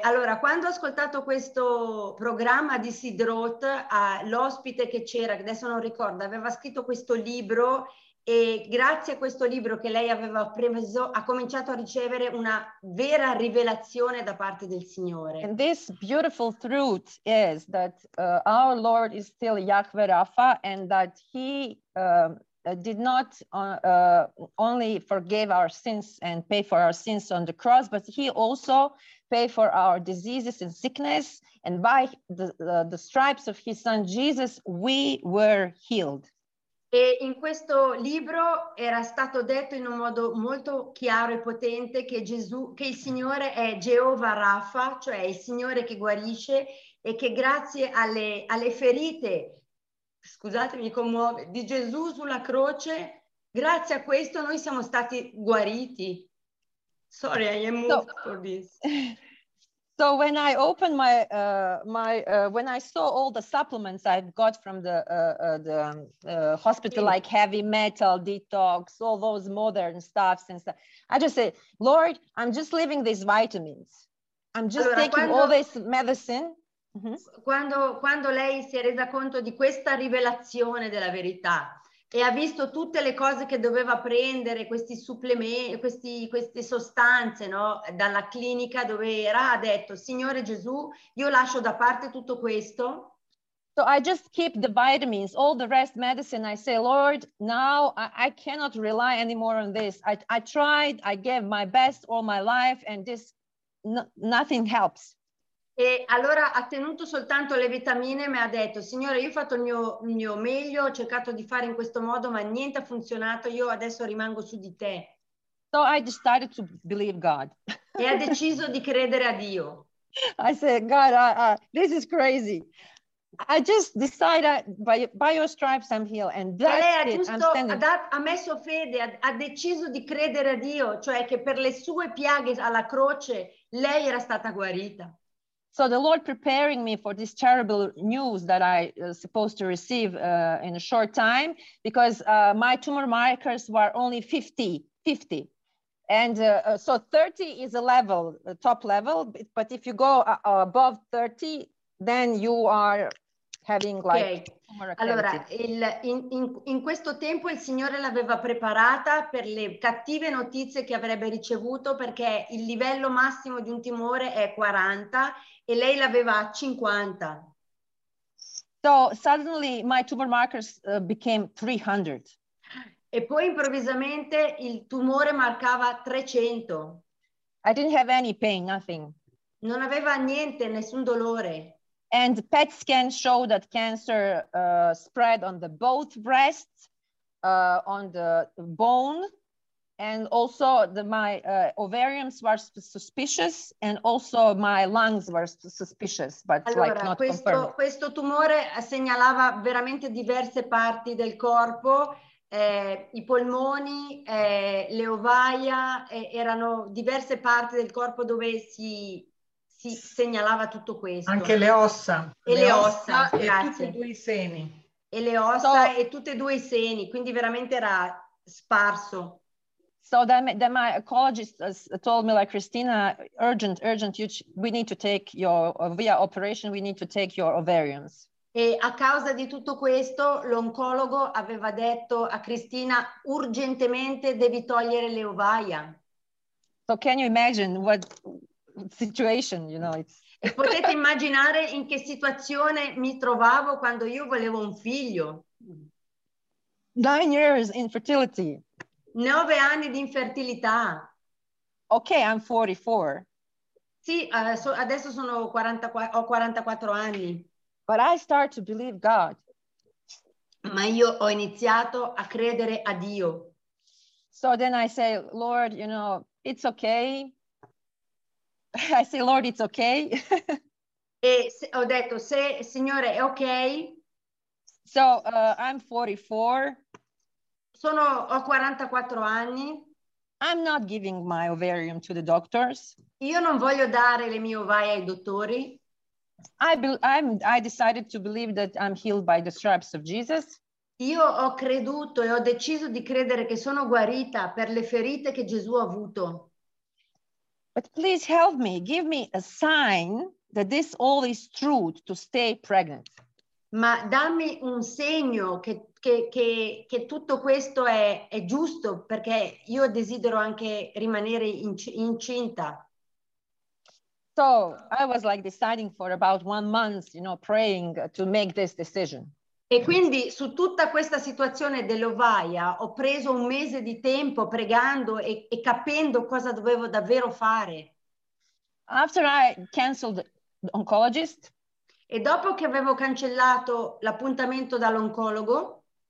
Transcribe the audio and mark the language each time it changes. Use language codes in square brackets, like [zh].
[it] Allora, quando ho ascoltato questo programma di Sid Roth, l'ospite che c'era, che adesso non ricordo, aveva scritto questo libro e grazie a questo libro che lei aveva preso, ha cominciato a ricevere una vera rivelazione da parte del Signore. [en] And this beautiful truth is that our Lord is still Yahweh Rapha and that he... did not only forgive our sins and pay for our sins on the cross, but he also paid for our diseases and sickness. And by the stripes of his son Jesus, we were healed. [it] E in questo libro era stato detto in un modo molto chiaro e potente che Gesù, che il Signore è Jehovah Rapha, cioè il Signore che guarisce, e che grazie alle ferite. Scusate, mi commuove, di Gesù sulla croce, grazie a questo noi siamo stati guariti. [en] Sorry, I am moved for this. So when I opened when I saw all the supplements I've got from the hospital, like heavy metal detox, all those modern stuff and stuff, I just say, Lord, I'm just leaving these vitamins. I'm just taking all this medicine. Mm-hmm. [it] Quando lei si è resa conto di questa rivelazione della verità e ha visto tutte le cose che doveva prendere, questi supplementi, queste sostanze, no? Dalla clinica dove era, ha detto, Signore Gesù, io lascio da parte tutto questo. [en] So I just keep the vitamins, all the rest medicine. I say, Lord, now I cannot rely anymore on this. I tried, I gave my best all my life and this nothing helps. [it] E allora ha tenuto soltanto le vitamine e mi ha detto, Signore, io ho fatto il mio meglio, ho cercato di fare in questo modo, ma niente ha funzionato, io adesso rimango su di te. [en] So I decided to believe God. [it] E ha deciso di credere a Dio. [en] I said, God, this is crazy. I just decided by your stripes I'm healed, and that's [it] lei ha giusto, [en] it. I'm standing. [it] Ha messo fede, ha deciso di credere a Dio, cioè che per le sue piaghe alla croce lei era stata guarita. [en] So the Lord preparing me for this terrible news that I was supposed to receive in a short time, because my tumor markers were only 50. And so 30 is a level, a top level, but if you go above 30, then you are having like okay. [it] Allora, in questo tempo il Signore l'aveva preparata per le cattive notizie che avrebbe ricevuto, perché il livello massimo di un tumore è 40 e lei l'aveva a 50. [en] So suddenly my tumor markers became 300. [it] E poi improvvisamente il tumore marcava 300. [en] I didn't have any pain, nothing. [it] Non aveva niente, nessun dolore. [en] And PET scan showed that cancer spread on the both breasts, on the bone, and also my ovariums were suspicious, and also my lungs were suspicious, but [it] allora, [en] like not [it] questo, [en] confirmed. [it] Questo tumore segnalava veramente diverse parti del corpo, i polmoni, le ovaia, erano diverse parti del corpo dove si segnalava tutto questo. Anche le ossa. E le ossa grazie. E tutti e due i seni. E le ossa so, e tutti e due i seni, quindi veramente era sparso. [en] So then my oncologist told me, like, Christina, urgent, we need to take your, via operation, we need to take your ovarians. [it] E a causa di tutto questo, l'oncologo aveva detto a Christina, urgentemente devi togliere le ovaia. [en] So can you imagine what... situation, you know, it's... [it] E potete immaginare in che situazione mi trovavo quando io volevo un figlio. [en] 9 years infertility. [it] 9 anni di infertilità. [en] Okay, I'm 44. [it] Sì, adesso sono 44, ho 44 anni. [en] But I start to believe God. [it] Ma io ho iniziato a credere a Dio. [en] So then I say, Lord, you know, it's okay. I say, Lord, it's okay. [it] E ho detto, se Signore è ok. [en] So I'm 44. [it] Ho 44 anni. [en] I'm not giving my ovarium to the doctors. [it] Io non voglio dare le mie ovaie ai dottori. [en] I decided to believe that I'm healed by the stripes of Jesus. [it] Io ho creduto e ho deciso di credere che sono guarita per le ferite che Gesù ha avuto. [en] But please help me, give me a sign that this all is true to stay pregnant. [it] Ma dammi un segno che tutto questo è giusto, perché io desidero anche rimanere incinta. [en] So I was like deciding for about 1 month, you know, praying to make this decision. [it] E quindi su tutta questa situazione dell'ovaia ho preso un mese di tempo pregando e capendo cosa dovevo davvero fare. [en] After I canceled the oncologist, [it] e dopo che avevo cancellato l'appuntamento dall'oncologo,